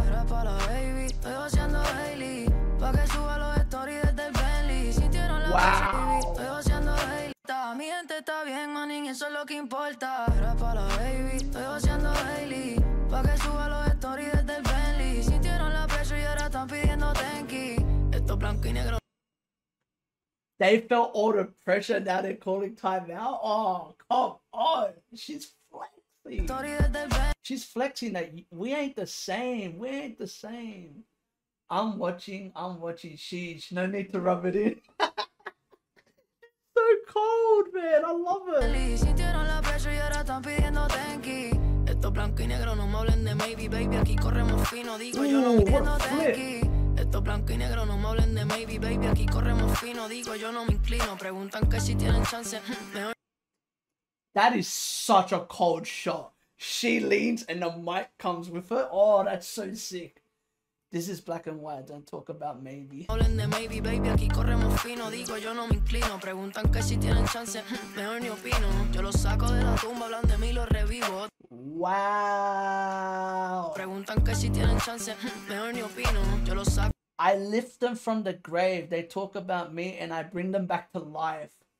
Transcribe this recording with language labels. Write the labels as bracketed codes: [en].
[es] Era para la baby, estoy haciendo daily. Pa' que suba los stories desde el Bentley. Sintieron la pasión, baby, estoy haciendo daily. Mi gente está bien, manín, eso es lo que importa. Era para la baby, estoy haciendo daily. Pa' que suba los stories desde el Bentley. Sintieron la pasión y ahora están pidiendo tenki. Esto blanco y negro. [en] They felt all the pressure, now they're calling time out. Oh, come on. She's flexing. She's flexing that we ain't the same. We ain't the same. I'm watching. Sheesh. No need to rub it in. So cold, man. I love it. [es] Esto blanco y negro, no me hablen de maybe, baby. Aquí corremos fino, digo yo, no entiendo tenki. Esto blanco y negro, no me hablen de maybe, baby. Aquí corremos fino, digo yo, no me inclino. Preguntan que si tienen chance. [en] That is such a cold shot. She leans and the mic comes with her. Oh, that's so sick. This is black and white, don't talk about maybe. [es] Hablen de maybe, baby, aquí corremos fino, digo yo no me inclino. Preguntan que si tienen chance, mejor ni opino. Yo lo saco de la tumba, hablan de mí, lo revivo. Wow. Preguntan que si tienen chance, mejor ni opino. Yo lo saco. [en] I lift them from the grave, they talk about me, and I bring them back to life.